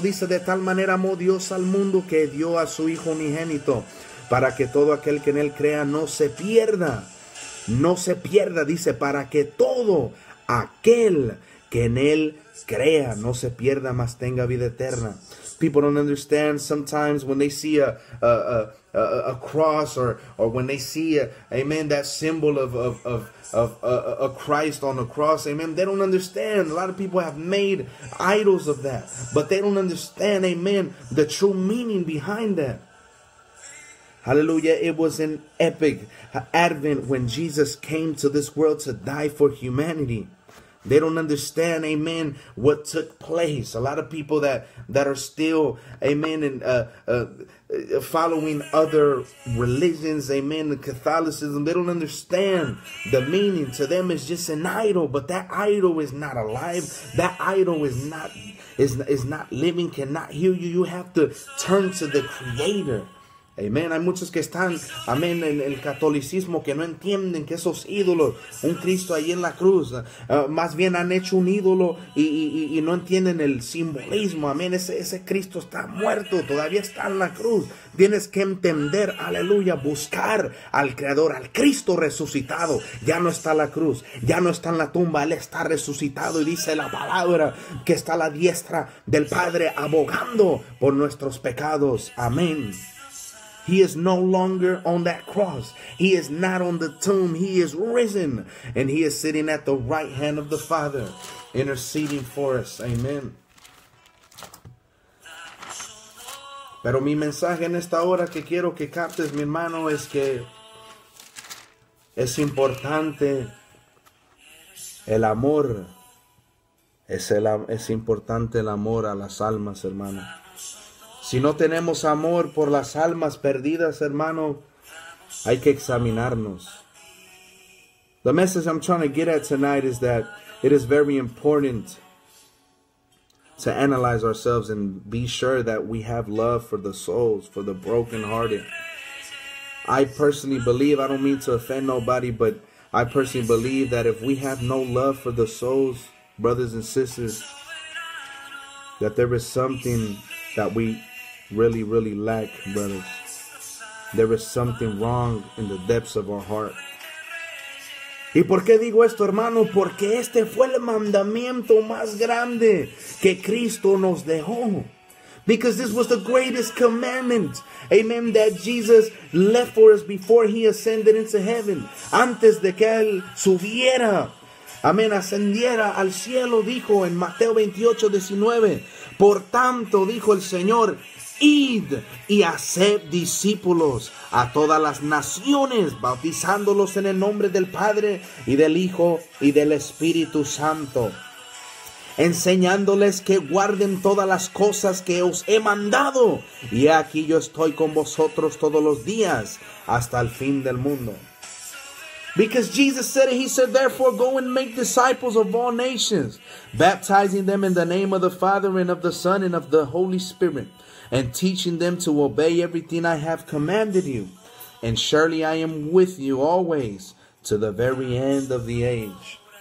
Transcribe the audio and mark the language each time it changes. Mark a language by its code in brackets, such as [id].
[es] Dice, de tal manera amó Dios al mundo que dio a su Hijo unigénito, para que todo aquel que en Él crea no se pierda. No se pierda, dice, para que todo aquel que en Él crea no se pierda, mas tenga vida eterna. [en] People don't understand sometimes when they see a cross or when they see amen, that symbol of a Christ on the cross, amen. They don't understand. A lot of people have made idols of that, but they don't understand, amen, the true meaning behind that. Hallelujah. It was an epic advent when Jesus came to this world to die for humanity. They don't understand, amen, what took place. A lot of people that are still, amen, and following other religions, amen, Catholicism, they don't understand the meaning. To them, it's just an idol, but that idol is not alive. That idol is not living, cannot heal you. You have to turn to the Creator. Amén. [es] Hay muchos que están, amén, en el catolicismo, que no entienden que esos ídolos, un Cristo ahí en la cruz, más bien han hecho un ídolo y no entienden el simbolismo, amén. Ese Cristo está muerto, todavía está en la cruz. Tienes que entender, aleluya, buscar al Creador, al Cristo resucitado. Ya no está la cruz, ya no está en la tumba, Él está resucitado y dice la palabra que está a la diestra del Padre abogando por nuestros pecados. [en] Amén. He is no longer on that cross. He is not on the tomb. He is risen. And He is sitting at the right hand of the Father, interceding for us. Amen. [es] Pero mi mensaje en esta hora que quiero que captes, mi hermano, es que es importante el amor. Es importante el amor a las almas, hermano. Si no tenemos amor por las almas perdidas, hermano, hay que examinarnos. [en] The message I'm trying to get at tonight is that it is very important to analyze ourselves and be sure that we have love for the souls, for the brokenhearted. I personally believe, I don't mean to offend nobody, but I personally believe that if we have no love for the souls, brothers and sisters, that there is something that we really, really lack, brothers. There is something wrong in the depths of our heart. [es] ¿Y por qué digo esto, hermano? Porque este fue el mandamiento más grande que Cristo nos dejó. [en] Because this was the greatest commandment, amen, that Jesus left for us before He ascended into heaven. [es] Antes de que Él subiera, amén, ascendiera al cielo, dijo en Mateo 28, 19. Por tanto, dijo el Señor, id y haced discípulos a todas las naciones, bautizándolos en el nombre del Padre y del Hijo y del Espíritu Santo, enseñándoles que guarden todas las cosas que os he mandado. Y aquí yo estoy con vosotros todos los días hasta el fin del mundo. [en] Because Jesus said it, He said, therefore, go and make disciples of all nations, baptizing them in the name of the Father and of the Son and of the Holy Spirit, and teaching them to obey everything I have commanded you. And surely I am with you always to the very end of the age.